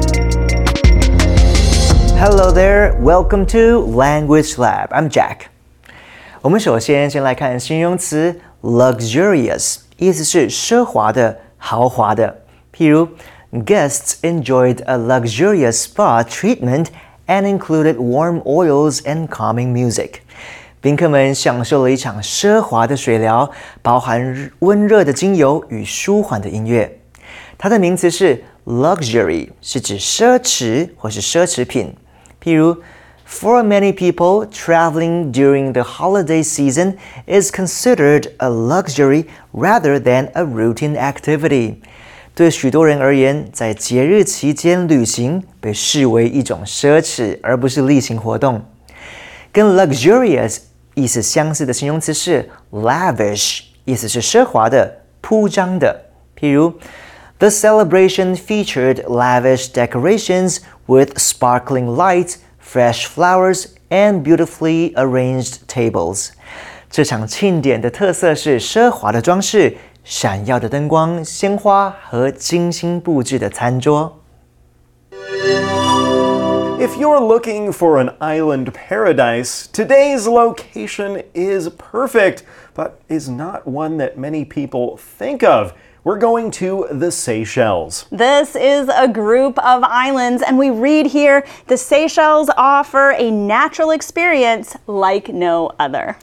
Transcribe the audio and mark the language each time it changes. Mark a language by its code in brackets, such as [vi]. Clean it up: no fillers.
[en] Hello there, welcome to Language Lab. I'm Jack. [zh] 我们首先来看形容词 luxurious， 意思是奢华的、豪华的。譬如 [en] ，guests enjoyed a luxurious spa treatment and included warm oils and calming music。 [zh] 宾客们享受了一场奢华的水疗，包含温热的精油与舒缓的音乐。它的名词是 luxury， 是指奢侈或是奢侈品。譬如。 [en] For many people, traveling during the holiday season is considered a luxury rather than a routine activity. [zh] 对许多人而言，在节日期间旅行被视为一种奢侈，而不是例行活动。跟 luxurious 意思相似的形容词是 lavish， 意思是奢华的、铺张的。譬如 [en] ，The celebration featured lavish decorations with sparkling lights. Fresh flowers and beautifully arranged tables. [zh] 这场庆典的特色是奢华的装饰、闪耀的灯光、鲜花和精心布置的餐桌。 [en] If you're looking for an island paradise, today's location is perfect, but is not one that many people think of. We're going to the Seychelles. This is a group of islands, and we read here, the Seychelles offer a natural experience like no other.